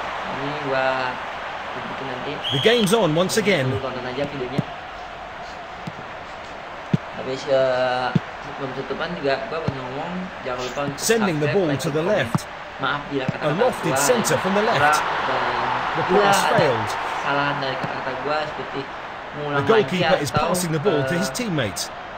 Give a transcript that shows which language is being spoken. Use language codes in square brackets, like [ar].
[id] Ini gua tunggu nanti. [en] The game's on once again. [id] Tonton aja videonya. Habis sebelum tutupan juga gua mau ngomong jangan lupa untuk [en] sending the ball to the left. [id] Maaf bila kata-kata [en] a lofted center from the left. The pass failed. [id] Salah dari kata-kata gua seperti mengulang lagi. [en] The goalkeeper is passing the ball to his teammate.